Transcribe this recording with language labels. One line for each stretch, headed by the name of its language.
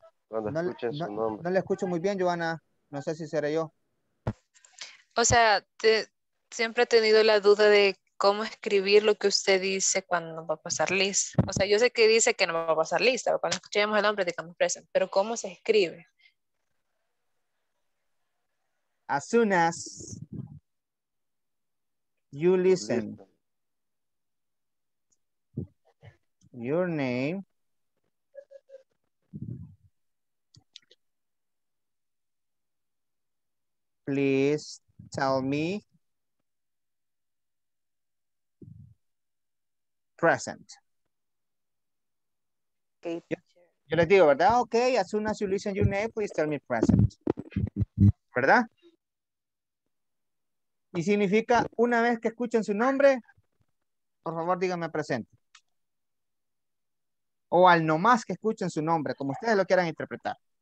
Spanish: No le escucho muy bien, Joana. No sé si seré yo. O sea, siempre he tenido la duda de cómo escribir lo que usted dice cuando va a pasar lista. O sea, yo sé que dice que no va a pasar lista, cuando escuchemos el nombre, digamos present, pero ¿cómo se escribe?
English: As soon as you listen your name, please tell me present. Okay.
Spanish: Yo les digo, ¿verdad?
English: Ok, as soon as you listen your name, please tell me present.
Spanish: ¿Verdad? Y significa, una vez que escuchen su nombre, por favor díganme presente. O al nomás que escuchen su nombre, como ustedes lo quieran interpretar.